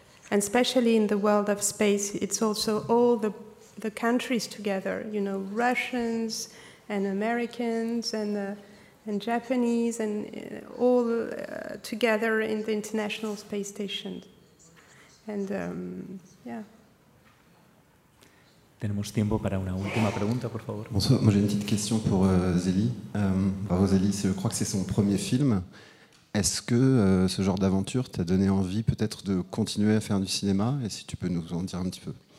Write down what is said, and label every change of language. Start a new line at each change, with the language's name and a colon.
English: And especially in the world of space, it's also all the countries together, you know, Russians and Americans and Japanese and all together in the International Space Station. And yeah.
Spanish: Tenemos tiempo para una última pregunta, por favor.
French: Bonsoir, moi j'ai une petite question pour Zélie. Bravo Zélie, je crois que c'est son premier film. Est-ce que ce genre d'aventure t'a donné envie peut-être de continuer à faire du cinéma? Et si tu peux nous en dire un petit peu.